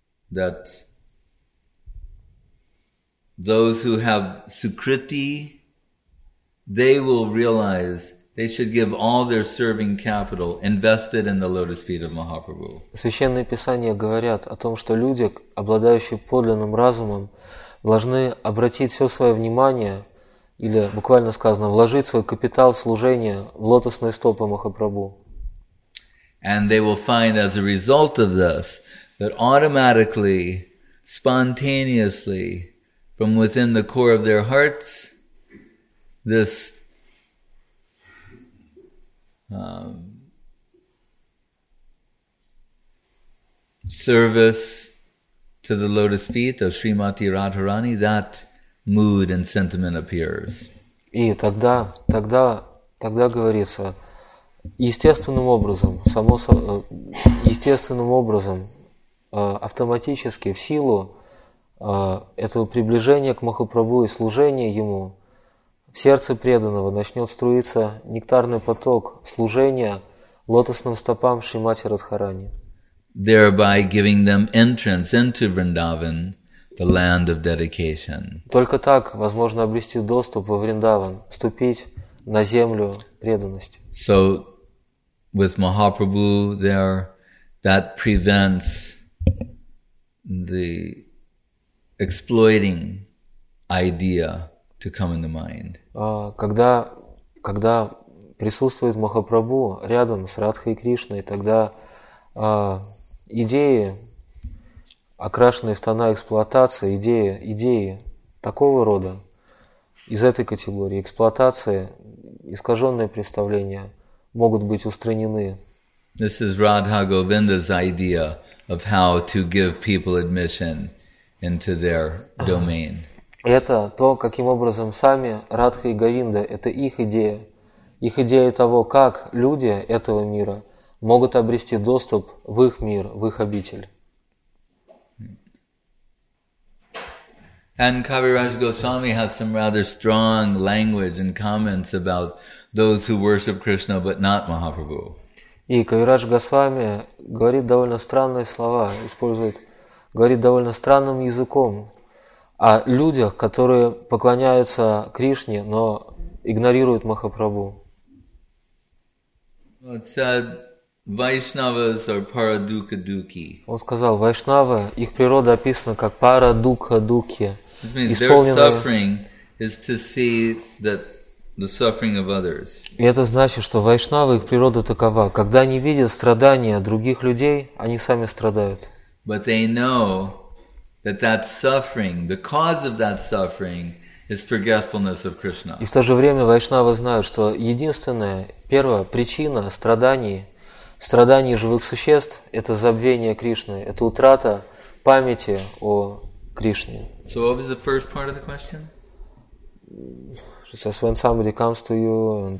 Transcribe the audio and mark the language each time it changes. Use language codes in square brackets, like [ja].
[en] That those who have Sukriti, they will realize they should give all their serving capital invested in the lotus feet of Mahaprabhu. [ru] Священные писания говорят о том, что люди, обладающие подлинным разумом, должны обратить все свое внимание, или буквально сказано, вложить свой капитал служения в лотосные стопы Махапрабху. [en] And they will find as a result of this that automatically, spontaneously, from within the core of their hearts, this service to the lotus feet of Srimati Radharani, that mood and sentiment appears. [ru] И тогда говорится, естественным образом, автоматически, в силу этого приближения к Махапрабху и служения ему, в сердце преданного начнет струиться нектарный поток служения лотосным стопам Шримати Радхарани. [en] Thereby giving them entrance into Vrindavan, the land of dedication. [ru] Только так возможно обрести доступ во Вриндаван, ступить на землю преданности. [en] So, with Mahaprabhu there, that prevents the exploiting idea to come in the mind. [ru] Когда присутствует Махапрабху рядом с Радхой и Кришной, тогда идеи, окрашенные в тона эксплуатации, идеи такого рода, из этой категории эксплуатации, искаженные представления могут быть устранены. [en] This is Radha Govinda's idea of how to give people admission into their domain. [ru] Это то, каким образом сами Радха и Говинда, это их идея того, как люди этого мира могут обрести доступ в их мир, в их обитель. [en] And Kaviraj Goswami has some rather strong language and comments about those who worship Krishna but not Mahaprabhu. [ru] И Кавирадж Госвами говорит довольно странные слова, использует, говорит довольно странным языком о людях, которые поклоняются Кришне, но игнорируют Махапрабху. [en] It said, Vaishnavas are paradukaduki. [ru] Он сказал, вайшнавы, их природа описана как парадукадуки, исполненные. И это значит, что вайшнавы, их природа такова. Когда они видят страдания других людей, они сами страдают. [en] But they know that that suffering, the cause of that suffering, is forgetfulness of Krishna. [ru] И в то же время вайшнавы знают, что единственная, первая причина страданий, страданий живых существ, это забвение Кришны, это утрата памяти о Кришне. [en] So what was the first part of the question? It says when somebody comes to you and